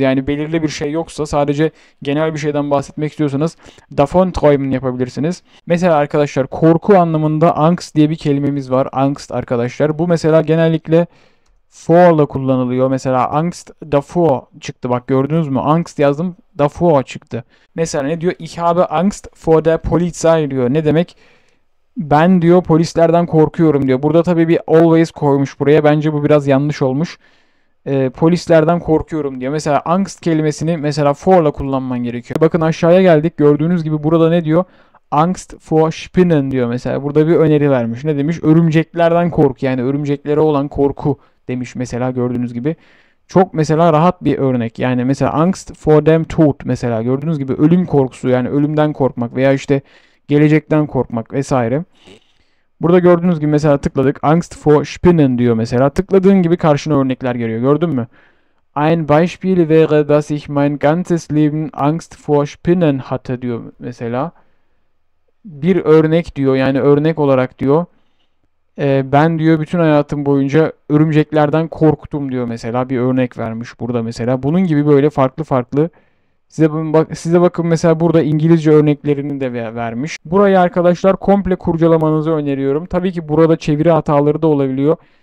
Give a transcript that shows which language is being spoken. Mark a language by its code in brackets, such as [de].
[tr] Yani belirli bir şey yoksa sadece genel bir şeyden bahsetmek istiyorsanız davon träumen yapabilirsiniz. Mesela arkadaşlar korku anlamında angst diye bir kelimemiz var. Angst arkadaşlar. Bu mesela genellikle vor ile kullanılıyor. Mesela angst davor çıktı. Bak gördünüz mü? Angst yazdım. Davor çıktı. Mesela ne diyor? [de] Ich habe angst vor der Polizei [tr] diyor. Ne demek? Ben diyor polislerden korkuyorum diyor. Burada tabii bir always koymuş buraya. Bence bu biraz yanlış olmuş. Polislerden korkuyorum diyor. Mesela angst kelimesini mesela for'la kullanman gerekiyor. Bakın aşağıya geldik. Gördüğünüz gibi burada ne diyor? Angst vor Spinnen diyor mesela. Burada bir öneri vermiş. Ne demiş? Örümceklerden korku. Yani örümceklere olan korku demiş mesela gördüğünüz gibi. Çok mesela rahat bir örnek. Yani mesela angst vor dem Tod mesela. Gördüğünüz gibi ölüm korkusu. Yani ölümden korkmak veya işte gelecekten korkmak vesaire. Burada gördüğünüz gibi mesela tıkladık. Angst vor Spinnen diyor mesela. Tıkladığın gibi karşına örnekler geliyor. Gördün mü? [de] Ein Beispiel wäre, dass ich mein ganzes Leben Angst vor Spinnen hatte [tr] diyor mesela. Bir örnek diyor. Yani örnek olarak diyor. Ben diyor bütün hayatım boyunca örümceklerden korktum diyor mesela. Bir örnek vermiş burada mesela. Bunun gibi böyle farklı farklı. Size bakın mesela burada İngilizce örneklerini de vermiş. Burayı arkadaşlar komple kurcalamanızı öneriyorum. Tabii ki burada çeviri hataları da olabiliyor.